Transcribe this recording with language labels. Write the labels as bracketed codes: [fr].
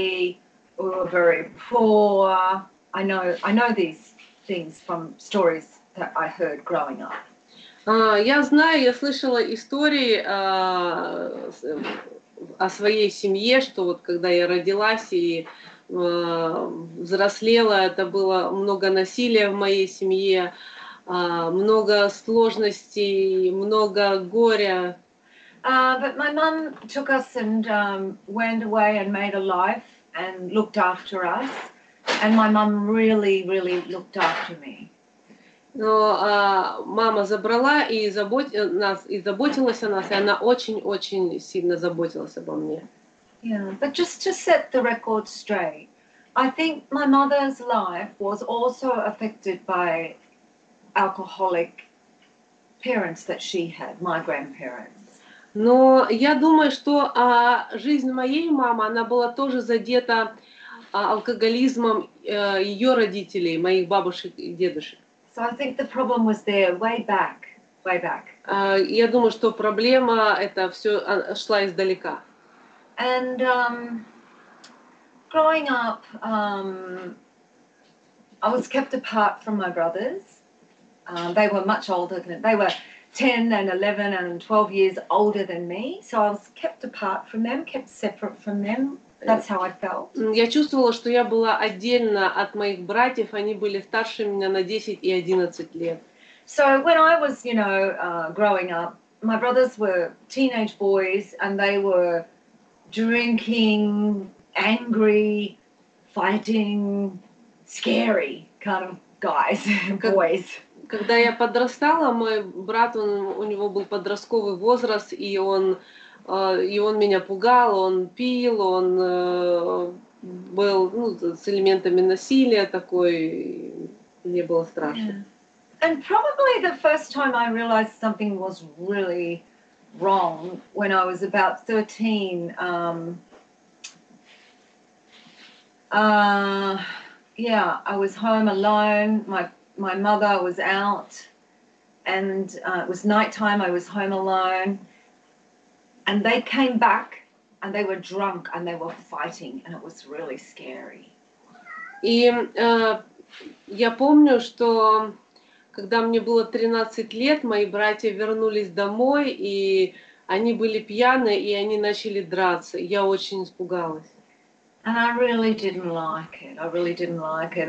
[en] We were very poor. I know these things from stories that I heard growing up. [ru] Я знаю, я слышала истории о своей семье, что вот когда я родилась и взрослела, это было много насилия в моей семье, много сложностей, много горя. [en] But my mum took us and went away and made a life and looked after us. And my mum really, really looked after me. [ru] Но мама забрала и нас и заботилась о нас, и она очень-очень сильно заботилась обо мне. [en] Yeah, but just to set the record straight, I think my mother's life was also affected by alcoholic parents that she had, my grandparents. [ru] Но я думаю, что жизнь моей мамы, она была тоже задета алкоголизмом ее родителей, моих бабушек и дедушек. [en] So I think the problem was there way back, way back. [ru] Я думаю, что проблема это все шла издалека. [en] And growing up, I was kept apart from my brothers. They were much older than they were 10 and 11 and 12 years older than me. So I was kept apart from them, kept separate from them. That's how I felt. [ru] Я чувствовала, что я была отдельно от моих братьев. Они были старше меня на 10 и 11 лет. [en] So when I was, you know, growing up, my brothers were teenage boys, and they were drinking, angry, fighting, scary kind of guys, boys. [ru] Когда я подрастала, мой брат, он, у него был подростковый возраст, и он... И он меня пугал, он пил, он был ну, с элементами насилия такой, мне было страшно. [en] And probably the first time I realized something was really wrong when I was about 13. Yeah, I was home alone, my mother was out, and it was nighttime, I was home alone. And they came back, and they were drunk, and they were fighting, and it was really scary. [ru] И я помню, что когда мне было 13 лет, мои братья вернулись домой, и они были пьяны, и они начали драться. Я очень испугалась. [en] And I really didn't like it. I really didn't like it.